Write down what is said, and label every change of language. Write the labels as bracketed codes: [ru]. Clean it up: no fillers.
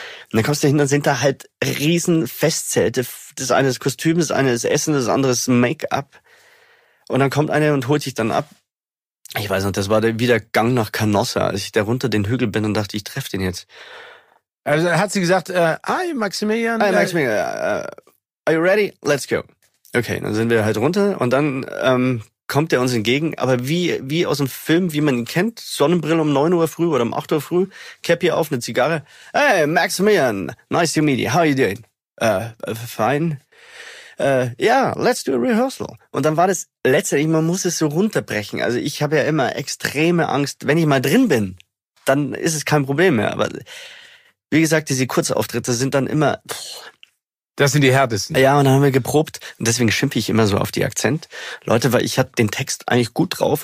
[de] Und dann kommst du hin, dann sind da halt riesen Festzelte. Das eine ist Kostüm, das eine ist Essen, das andere ist Make-up. Und dann kommt einer und holt sich dann ab. Ich weiß noch, das war wieder Gang nach Canossa, als ich da runter den Hügel bin und dachte, ich treffe den jetzt. Also hat sie gesagt, hi Maximilian. [en] Hi Maximilian, are you ready? Let's go. [de] Okay, dann sind wir halt runter und dann kommt er uns entgegen. Aber wie aus dem Film, wie man ihn kennt, Sonnenbrille um 9 Uhr früh oder um 8 Uhr früh, Käppi auf, eine Zigarre. [en] Hey, Maximilian, nice to meet you. How are you doing? Fine. Yeah, let's do a rehearsal. [de] Und dann war das letztendlich, man muss es so runterbrechen. Also ich habe ja immer extreme Angst, wenn ich mal drin bin, dann ist es kein Problem mehr. Aber wie gesagt, diese Kurzauftritte sind dann immer... Das sind die härtesten. Ja, und dann haben wir geprobt. Und deswegen schimpfe ich immer so auf die Akzent-Leute, weil ich hatte den Text eigentlich gut drauf.